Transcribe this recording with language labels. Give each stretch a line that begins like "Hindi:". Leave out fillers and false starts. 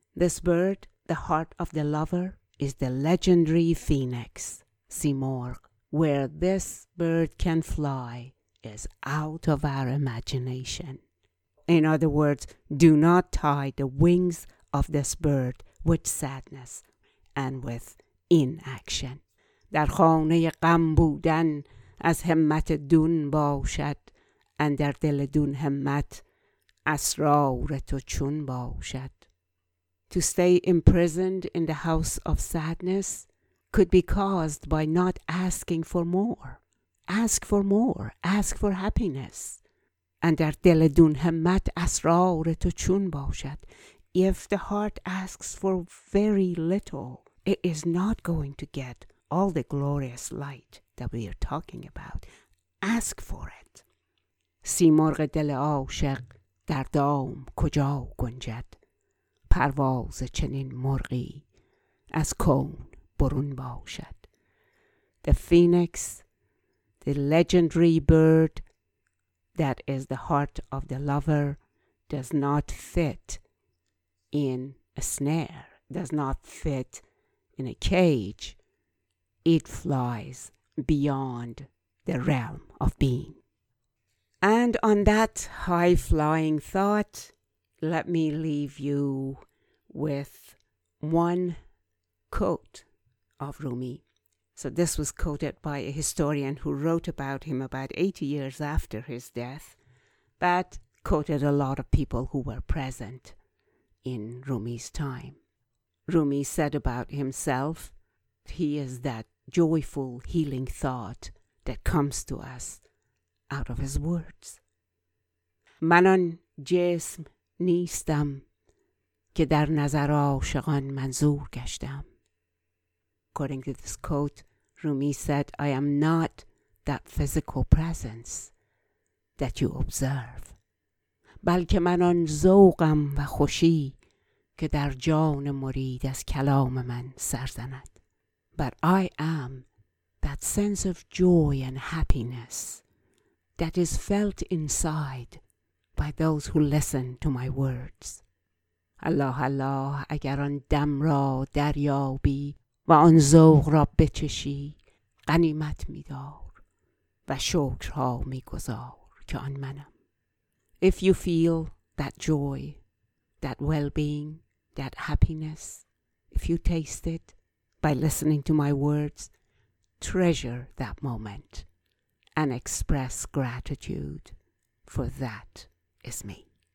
English: This bird, the heart of the lover, is the legendary phoenix, Simorgh. Where this bird can fly is out of our imagination. In other words, do not tie the wings of this bird with sadness and with inaction.
Persian: در خانه غم بودن از همت دون باشد، اندر دل دون همت اسرار تو چون باشد.
English: To stay imprisoned in the house of sadness could be caused by not asking for more. Ask for more. Ask for happiness.
Persian: And در دل دون همت اسرار تو چون باشد.
English: If the heart asks for very little, it is not going to get all the glorious light that we are talking about. Ask for it.
Persian: سیمرغ دل عاشق در دام کجا گنجد؟ پرواز چنین مرغی از کون برون باشد.
English: The phoenix, the legendary bird that is the heart of the lover, does not fit in a snare, does not fit in a cage. It flies beyond the realm of being. And on that high-flying thought, let me leave you with one quote of Rumi. So this was quoted by a historian who wrote about him about 80 years after his death, but quoted a lot of people who were present in Rumi's time. Rumi said about himself, he is that joyful, healing thought that comes to us out of his words.
Persian: من آن جسم نیستم که در نظر عاشقان منظور گشتم.
English: According to this quote, Rumi said, I am not that physical presence that you observe.
Persian: بلکه من آن ذوقم و خوشی که در جان مرید از کلام من سرزند.
English: But I am that sense of joy and happiness that is felt inside by those who listen to my words.
Persian: الله الله اگر آن دم را دریابی و آن ذوق را بچشی غنیمت می‌دار و شکر ها می‌گذار که آن منم.
English: If you feel that joy, that well-being, that happiness, if you taste it by listening to my words, treasure that moment and express gratitude, for that is me.